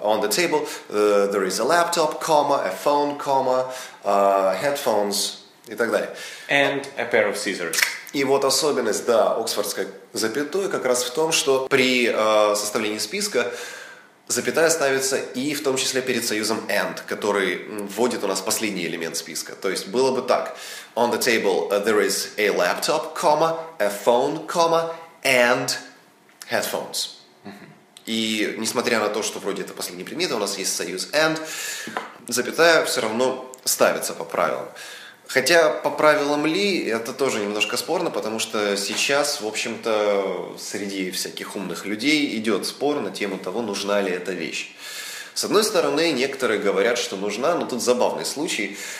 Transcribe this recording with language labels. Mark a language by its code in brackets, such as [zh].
[en] On the table there is a laptop, comma, a phone, comma, headphones [ru] и так далее. [en] And a pair of scissors. [ru] И вот особенность, да, оксфордской запятой как раз в том, что при составлении списка запятая ставится и в том числе перед союзом and, который вводит у нас последний элемент списка. То есть было бы так. [en] On the table there is a laptop, comma, a phone, comma, and headphones. [ru] И несмотря на то, что вроде это последний предмет, у нас есть союз and, запятая все равно ставится по правилам. Хотя по правилам ли, это тоже немножко спорно, потому что сейчас, в общем-то, среди всяких умных людей идет спор на тему того, нужна ли эта вещь. С одной стороны, некоторые говорят, что нужна, но тут забавный случай.